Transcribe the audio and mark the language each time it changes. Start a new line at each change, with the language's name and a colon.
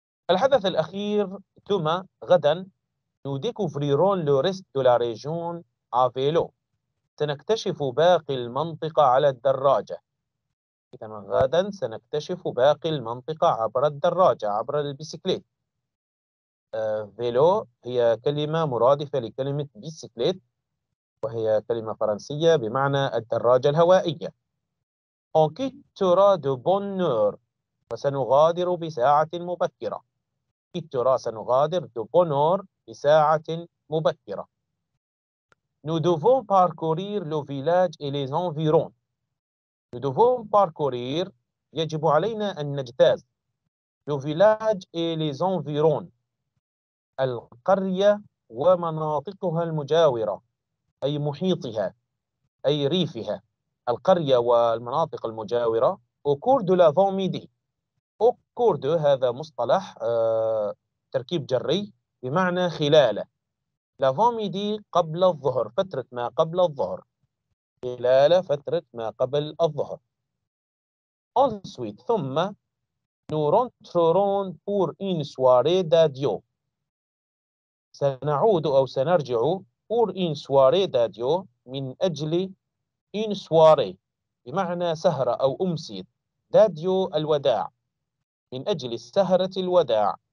Arabic: الحدث الأخير ثم غدا
French: nous découvrirons le reste de la région à vélo،
Arabic: سنكتشف باقي المنطقة على الدراجة. إذا غدا سنكتشف باقي المنطقة عبر الدراجة، عبر البسكليت. فيلو هي كلمة مرادفة لكلمة بسكليت، وهي كلمة فرنسية بمعنى الدراجة الهوائية.
French: On quittera de bonne heure،
Arabic: وسنغادر بساعة مبكرة.
French: Quittera،
Arabic: سنغادر،
French: de bonne heure،
Arabic: بساعة مبكرة.
French: Nous devons parcourir le village et les environs. Nous devons parcourir،
Arabic: يجب علينا أن نجتاز،
French: le village et les environs،
Arabic: القرية ومناطقها المجاورة، أي محيطها، أي ريفها. القرية والمناطق المجاورة
French: au cours de la vingt midi. au cours de،
Arabic: هذا مصطلح تركيب جري بمعنى خلال.
French: la vingt midi،
Arabic: قبل الظهر، فترة ما قبل الظهر، خلال فترة ما قبل الظهر.
French: ensuite،
Arabic: ثم
French: nous rentrerons pour une soirée d'adieu،
Arabic: سنعود أو سنرجع
French: pour une soirée d'adieu،
Arabic: من أجل إن سواري بمعنى سهرة أو أمسية، داديو الوداع، من أجل السهرة الوداع.